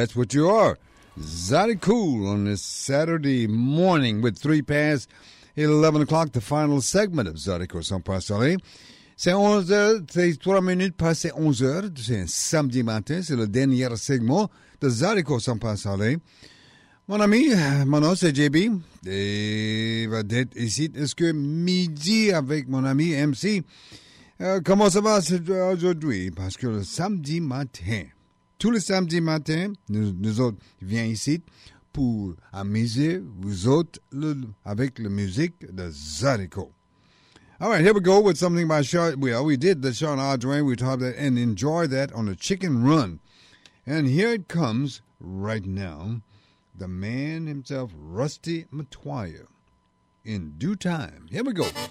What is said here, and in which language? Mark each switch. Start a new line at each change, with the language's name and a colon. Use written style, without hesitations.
English: You are Zotty Cool on this Saturday morning with 3 past 11 o'clock, the final segment of Zotty Cool sans passer.
French: C'est 11h, c'est 3 minutes passé 11h, c'est un samedi matin, c'est le dernier segment de Zotty Cool sans passer. Mon ami, mon nom c'est JB, et va être ici. Est-ce que midi avec mon ami MC, comment ça va aujourd'hui? Parce que le samedi matin, tous les samedis matins, nous autres viens ici pour amuser vous autres avec la musique de Zotico.
English: All right, here we go with something by Sean. Well, we did the Sean Ardoin. We talked that and enjoyed that on the Chicken Run. And here it comes right now, the man himself, Rusty Matoya, in due time. Here we go.